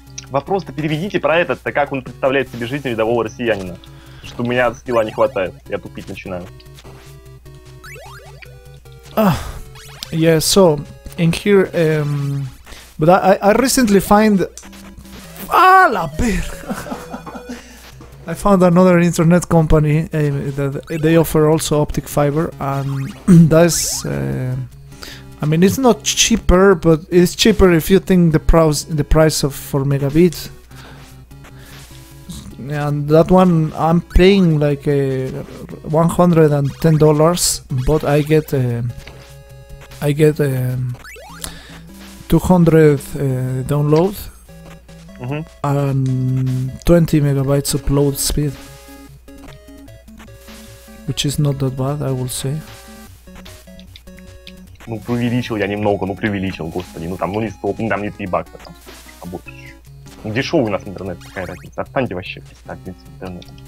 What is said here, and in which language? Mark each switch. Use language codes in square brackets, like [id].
[ru] Вопрос-то переведите про этот-то, как он представляет себе жизнь рядового россиянина. Что у меня скилла не хватает, я тупить начинаю. [en] Yeah, so, in here, but I recently find... Ah, la per... I found another internet company that they offer also optic fiber, and that's... I mean, it's not cheaper, but it's cheaper if you think the price of 4 megabits. And that one, I'm paying like $110, but I get 200 download and 20 megabytes upload speed, which is not that bad, I will say. [ru] Ну, преувеличил я немного, ну, преувеличил, господи, ну, там, ну, не столько, ну, там, не 3 бакса, там, а больше чуть-чуть. Дешевый у нас интернет, какая разница, отстаньте вообще, представьте, интернет.